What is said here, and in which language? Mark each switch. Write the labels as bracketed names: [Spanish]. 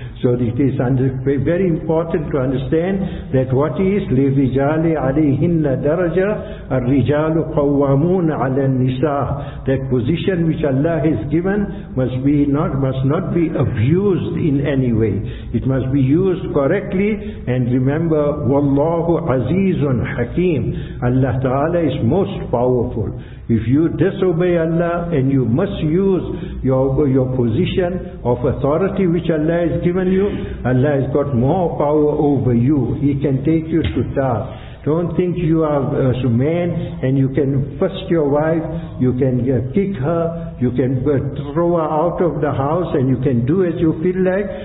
[English] So it is very important to understand that what is [Arabic] لِرِجَالِ عَلَيْهِنَّ دَرَجَةً الرِّجَالُ قَوَّامُونَ عَلَى النِّسَاءِ. [English] That position which Allah has given must not be abused in any way. It must be used correctly. And remember, [Arabic] وَاللَّهُ عَزِيزٌ حَكِيمٌ. [English] Allah Ta'ala is most powerful. If you disobey Allah and you misuse your position of authority which Allah has given you, Allah has got more power over you. He can take you to task. Don't think you are a man and you can fist your wife, you can kick her, you can throw her out of the house and you can do as you feel like.